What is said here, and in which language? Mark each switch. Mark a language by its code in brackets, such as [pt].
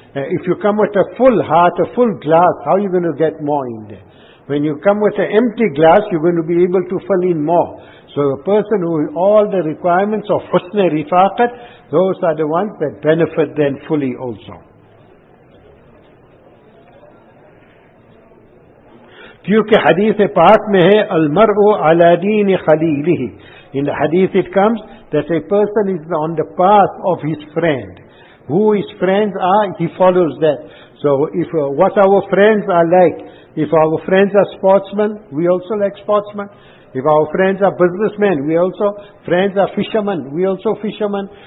[en] If you come with a full heart, a full glass, how are you going to get more in there? When you come with an empty glass, you're going to be able to fill in more. So a person who all the requirements of husna rifaqat, those are the ones that benefit then fully also. [ur] کیونکہ حدیث پاک میں ہے [ar] المرء على دین خلیلہ. [en] In the hadith it comes that a person is on the path of his friend. Who his friends are, he follows that. So if what our friends are like, if our friends are sportsmen, we also like sportsmen. If our friends are businessmen, we also, friends are fishermen, we also fishermen.